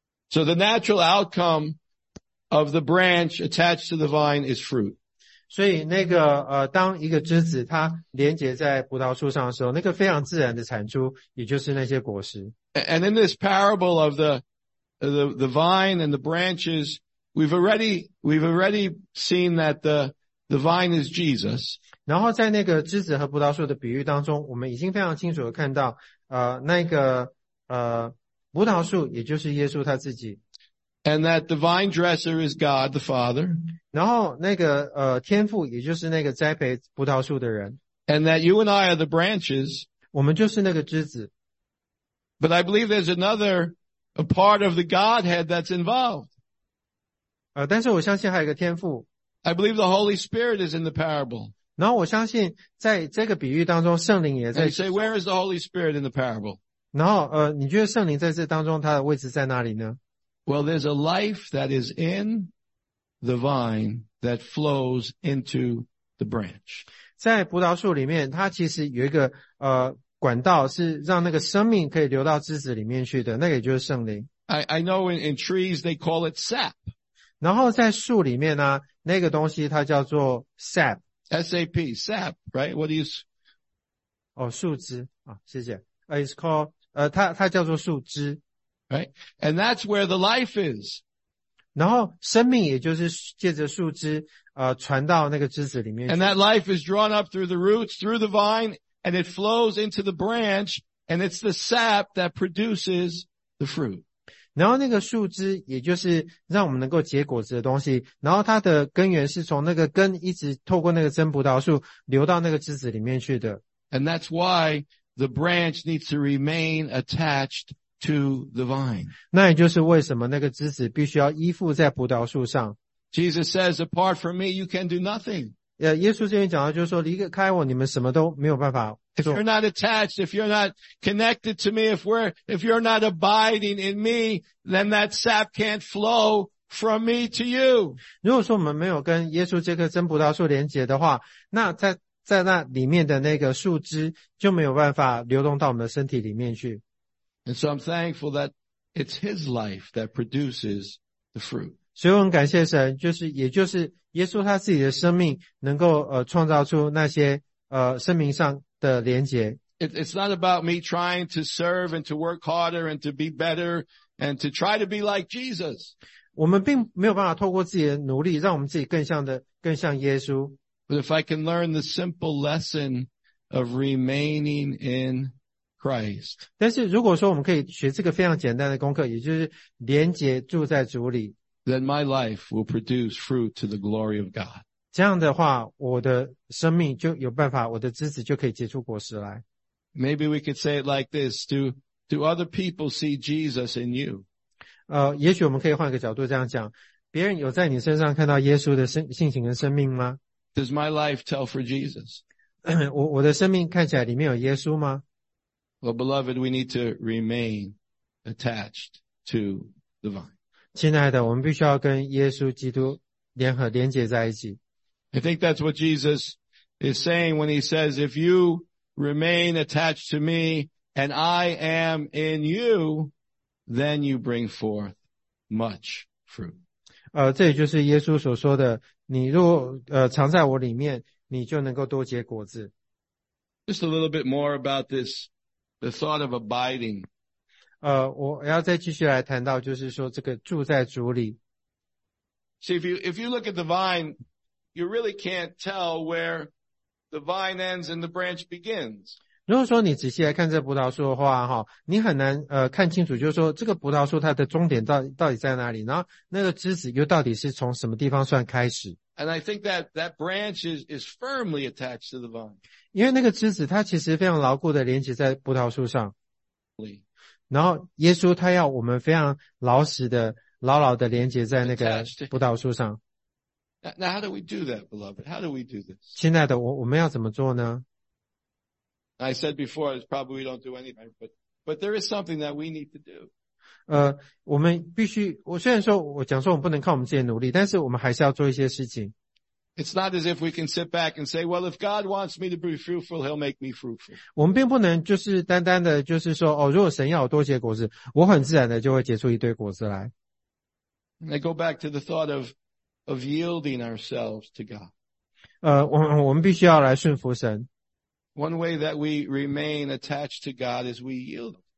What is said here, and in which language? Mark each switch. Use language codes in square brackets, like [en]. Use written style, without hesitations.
[en] So the natural outcome of the branch attached to the vine is fruit. [zh] 所以那个当一个枝子它连结在葡萄树上的时候，那个非常自然的产出也就是那些果实。 [en] And in this parable of the vine and the branches, we've already seen that the vine is Jesus. [zh] 然后在那个枝子和葡萄树的比喻当中，我们已经非常清楚地看到那个葡萄树也就是耶稣他自己。 [en] And that the vine dresser is God the Father. [zh] 然后那个天父也就是那个栽培葡萄树的人。 [en] And that you and I are the branches. [zh] 我们就是那个枝子。 [en] But I believe there's another a part of the Godhead that's involved. [zh] 但是我相信还有一个天父。 [en] I believe the Holy Spirit is in the parable. [zh] 然后我相信在这个比喻当中圣灵也在。 [en] And you say, where is the Holy Spirit in the parable? [zh] 然后你觉得圣灵在这当中他的位置在哪里呢？ [en] Well, there's a life that is in the vine that flows into the branch. [zh] 在葡萄树里面，它其实有一个管道是让那个生命可以流到枝子里面去的，那个也就是圣灵。 [en] I know in trees they call it sap. [zh] 然后在树里面呢，那个东西它叫做 sap. [en] S-A-P, sap, right? What is? [zh] 哦，树枝啊，谢谢。 [en] It's called [zh] 它叫做树枝。 [en] Right? And that's where the life is. [zh] 然后生命也就是借着树枝传到那个枝子里面。 [en] And that life is drawn up through the roots, through the vine, and it flows into the branch, and it's the sap that produces the fruit. [zh] 然后那个树枝也就是让我们能够结果子的东西，然后它的根源是从那个根一直透过那个真葡萄树流到那个枝子里面去的。 [en] And that's why the branch needs to remain attached to the vine. [zh] 那也就是为什么那个枝子必须要依附在葡萄树上。 [en] Jesus says, apart from me, you can do nothing. [zh] 耶稣这边讲到就是说离开我你们什么都没有办法做。 [en] If you're not attached, if you're not connected to me, if you're not abiding in me, then that sap can't flow from me to you. [zh] 如果说我们没有跟耶稣这棵真葡萄树连结的话，那在那里面的那个树枝就没有办法流动到我们的身体里面去。 [en] And so I'm thankful that it's His life that produces the fruit. [zh] 所以我很感谢神，也就是耶稣他自己的生命能够创造出那些生命上的连结。 [en] It's not about me trying to serve and to work harder and to be better and to try to be like Jesus. [zh] 我们并没有办法透过自己的努力让我们自己更像耶稣。 [en] But if I can learn the simple lesson of remaining in Christ. [zh] 但是如果说我们可以学这个非常简单的功课，也就是连结住在主里， [en] then my life will produce fruit to the glory of God. [zh] 这样的话，我的生命就有办法，我的枝子就可以结出果实来。 [en] Maybe we could say it like this: Do other people see Jesus in you? [zh] 也许我们可以换个角度这样讲：别人有在你身上看到耶稣的性情跟生命吗 [en] ？Does my life tell for Jesus? [zh] 我的生命看起来里面有耶稣吗？ [en] Well, beloved, we need to remain attached to the vine. [zh] 亲爱的，我们必须要跟耶稣基督联合连结在一起。 [en] I think that's what Jesus is saying when he says, if you remain attached to me and I am in you, then you bring forth much fruit. [zh] 这也就是耶稣所说的，你若藏在我里面，你就能够多结果子。 [en] Just a little bit more about this, the thought of abiding. [zh] 我要再继续来谈到，就是说这个住在主里。 [en] See, if you look at the vine, you really can't tell where the vine ends and the branch begins. [zh] 如果说你仔细来看这葡萄树的话，哈，你很难看清楚，就是说这个葡萄树它的终点到底在哪里，然后那个枝子又到底是从什么地方算开始。 [en] And I think that branch is firmly attached to the vine. [zh] 因为那个枝子它其实非常牢固的连接在葡萄树上。然后耶稣他要我们非常牢实的牢牢的连接在那个葡萄树上。 [en] Now how do we do that, beloved? How do we do this? [zh] 亲爱的，我们要怎么做呢？ [en] I said before, it's probably we don't do anything, but there is something that we need to do. [zh] 我们必须，我虽然说我讲说我们不能靠我们自己的努力，但是我们还是要做一些事情。 [en] It's not as if we can sit back and say, well, if God wants me to be fruitful, he'll make me fruitful. [zh] 我们并不能就是单单的就是说，哦，如果神要我多结果子，我很自然的就会结出一堆果子来。 [en] I go back to the thought of yielding ourselves to God. [zh] 我们必须要来顺服神。 [en] One way that we remain attached to God is we yield.